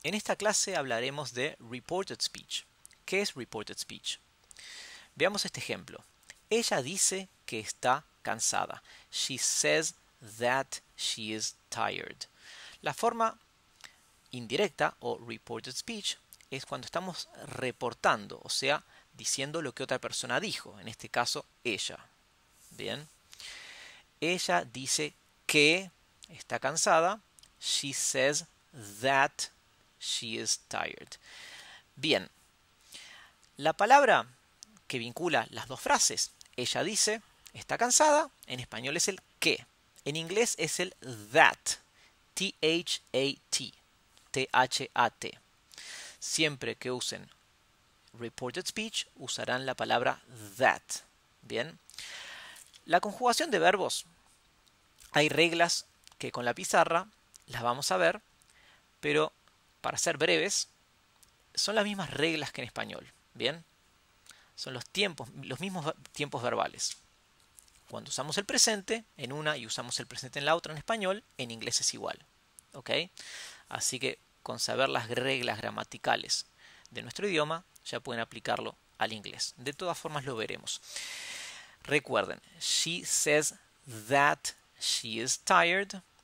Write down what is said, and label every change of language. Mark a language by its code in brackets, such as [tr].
[es] En esta clase hablaremos de reported speech. ¿Qué es reported speech? Veamos este ejemplo. Ella dice que está cansada. [en] She says that she is tired. [es] La forma indirecta o reported speech es cuando estamos reportando, o sea, diciendo lo que otra persona dijo. En este caso, ella. Bien. Ella dice que está cansada. [en] She says that she is tired. [es] Bien. La palabra que vincula las dos frases, ella dice, está cansada, en español es el que. En inglés es el that. T-H-A-T. T-H-A-T. Siempre que usen reported speech, usarán la palabra that. Bien. La conjugación de verbos. Hay reglas que con la pizarra las vamos a ver, pero para ser breves, son las mismas reglas que en español. Bien. Son los tiempos, los mismos tiempos verbales. Cuando usamos el presente en una y usamos el presente en la otra en español, en inglés es igual. ¿Ok? Así que con saber las reglas gramaticales de nuestro idioma, ya pueden aplicarlo al inglés. De todas formas, lo veremos. Recuerden, [en] she says that she is tired.